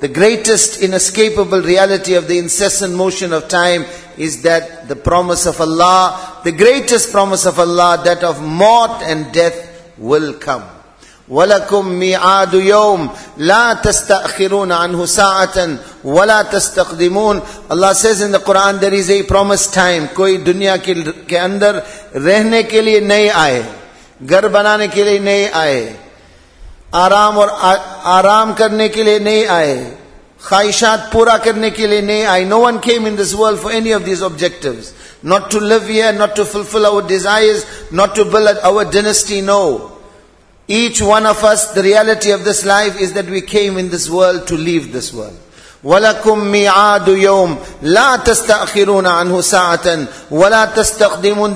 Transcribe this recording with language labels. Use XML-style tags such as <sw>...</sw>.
<en>The greatest inescapable reality of the incessant motion of time is that the promise of Allah, the greatest promise of Allah, that of mort and death will come.</en> <ar>وَلَكُمْ مِعَادُ يَوْمٍ لَا تَسْتَأْخِرُونَ عَنْهُ سَاعَةً وَلَا تَسْتَقْدِمُونَ.</ar> <en>Allah says in the Quran, there is a promised time.</en> <ur>کوئی دنیا کے اندر رہنے کے لئے نہیں آئے, گھر بنانے کے لئے نہیں آئے, آرام کرنے کے لئے نہیں آئے, خواہشات پورا کرنے کے لئے نہیں آئے.</ur> <en>No one came in this world for any of these objectives. Not to live here, not to fulfill our desires, not to build our dynasty, no. Each one of us, the reality of this life is that we came in this world to leave this world.</en> <ar>وَلَكُمْ مِعَادُ يَوْمٍ لَا تَسْتَأْخِرُونَ عَنْهُ سَاعَةً وَلَا تَسْتَقْدِمُونَ.</ar>